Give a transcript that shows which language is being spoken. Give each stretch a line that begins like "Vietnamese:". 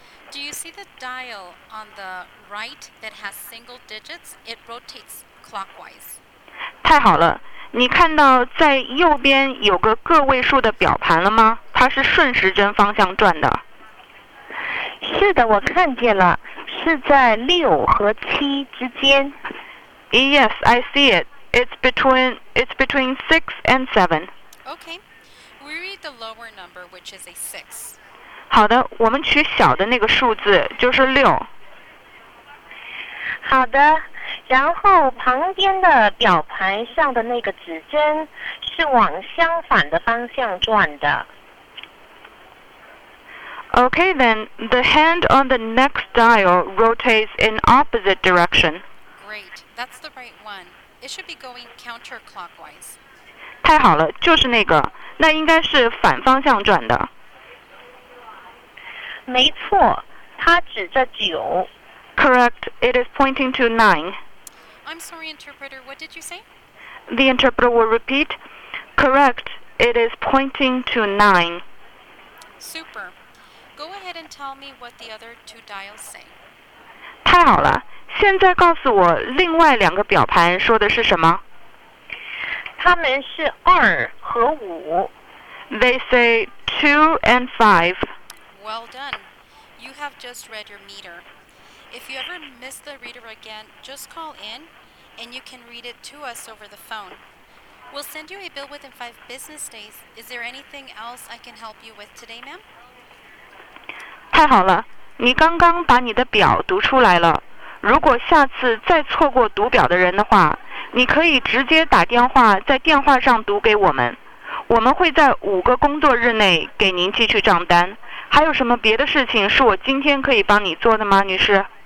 English: Do you see the dial on the right that has single digits? It rotates clockwise.
Chinese: 太好了，你看到在右边有个个位数的表盘了吗？它是顺时针方向转的。是的，我看见了，是在六和七之间。
English: Yes, I see it. It's between 6 and 7. Okay. We read the lower number, which is a 6.
Chinese: 好的，我们取小的那个数字，就是6。好的，然后旁边的表盘上的那个指针是往相反的方向转的。
English: Okay, then, the hand on the next dial rotates in opposite direction. Great, that's the right one. It should be going counterclockwise.
Chinese: 太好了，就是那个，那应该是反方向转的。没错，它指着9。
English: Correct, it is pointing to 9. I'm sorry, interpreter, what did you say? The interpreter will repeat. Correct, it is pointing to 9. Super. Go ahead and tell me what the other two dials say.
Chinese: 太好了，现在告诉我另外两个表盘说的是什么。他们是2和5。
English: They say 2 and 5. Well done. You have just read your meter. If you ever miss the reader again, just call in, and you can read it to us over the phone. We'll send you a bill within 5 business days. Is there anything else I can help you with today, ma'am?
Chinese: 太好了，你刚刚把你的表读出来了。如果下次再错过读表的人的话，你可以直接打电话，在电话上读给我们，我们会在5个工作日内给您寄去账单。还有什么别的事情是我今天可以帮你做的吗，女士？